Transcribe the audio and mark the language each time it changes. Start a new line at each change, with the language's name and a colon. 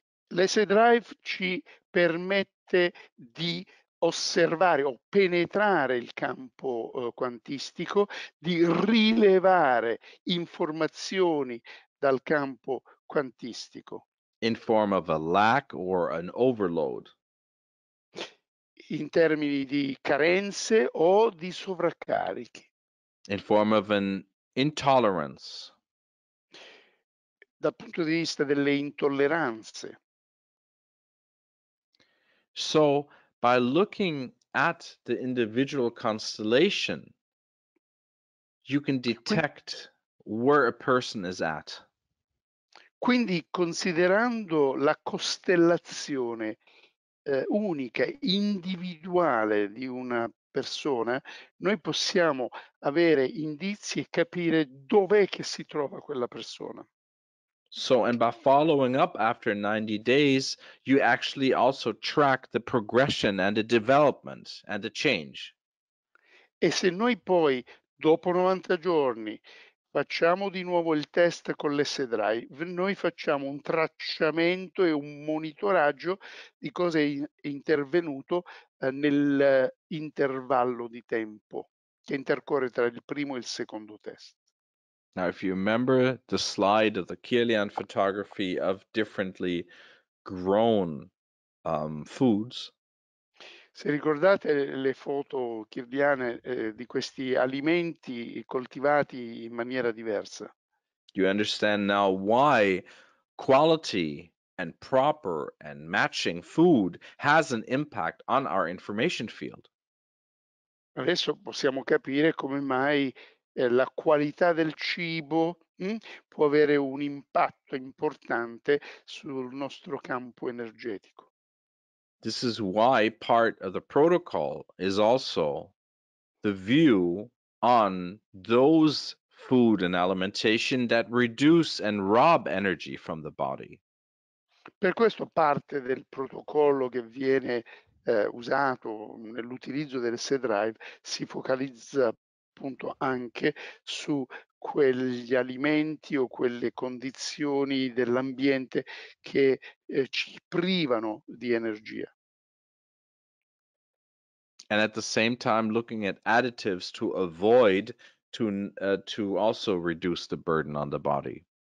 Italian: L'S drive ci permette di osservare o penetrare il campo quantistico, di rilevare informazioni dal campo quantistico.
English: In form of a lack or an overload.
Italian: In termini di carenze o di sovraccarichi.
English: In form of an intolerance.
Italian: Dal punto di vista delle intolleranze.
English: So, by looking at the individual constellation, you can detect where a person is at.
Italian: Quindi, considerando la costellazione unica, individuale di una persona, noi possiamo avere indizi e capire dov'è che si trova quella persona.
English: So, and by following up after 90 days, you actually also track the progression and the development and the change.
Italian: E se noi poi, dopo 90 giorni, facciamo di nuovo il test con l'S drive, noi facciamo un tracciamento e un monitoraggio di cosa è intervenuto nell'intervallo di tempo che intercorre tra il primo e il secondo test.
English: Now, if you remember the slide of the Kielian photography of differently grown foods.
Italian: Se ricordate le foto kirliane di questi alimenti coltivati in maniera diversa.
English: You understand now why quality and proper and matching food has an impact on our information field.
Italian: Adesso possiamo capire come mai la qualità del cibo può avere un impatto importante sul nostro campo energetico.
English: This is why part of the protocol is also the view on those food and alimentation that reduce and rob energy from the body.
Italian: Per questo parte del protocollo che viene usato nell'utilizzo del C-Drive si focalizza appunto anche su quegli alimenti o quelle condizioni dell'ambiente che ci privano di energia.
English: And at the same time looking at additives to avoid to also reduce the burden on the body.